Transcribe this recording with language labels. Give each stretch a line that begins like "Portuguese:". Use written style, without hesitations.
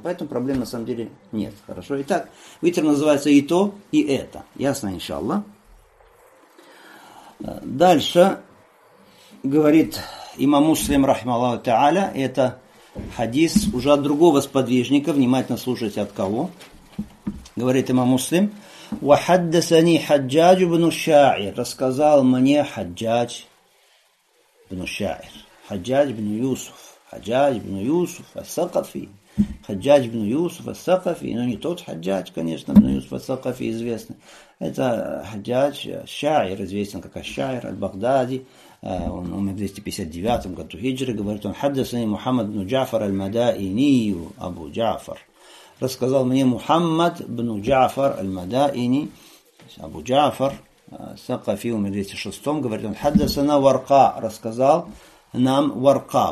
Russian: Поэтому проблем на самом деле нет. Хорошо? Итак, витром называется и то, и это. Ясно, иншаллах. Дальше говорит имам Муслим, рахмаллаху та'аля, это хадис уже от другого сподвижника, внимательно слушайте от кого, говорит имам Муслим.
Arabic: وحدثني حجاج بن الشاعر
Russian: рассказал мне хаджадж
Arabic: بن الشاعر، حجاج بن يوسف، حجاج بن يوسف الثقفي، حجاج بن يوسف الثقفي،
Russian: ну не тот
Arabic: حجاج، конечно، بن يوسف الثقفي известный.
Russian: Это
Arabic: حجاج الشاعر،
Russian: известен как
Arabic: الشاعر البغدادي.
Russian: Он умер в 259 году хиджры. Говорит, он хаддасани Мухаммад бну Джафар аль-Мадаинию Абу Джафар. Рассказал мне Мухаммад бну Джафар аль-Мадаини Абу Джафар саккафи, умер в 206. Говорит, он хаддасана Варка. Рассказал нам Варка.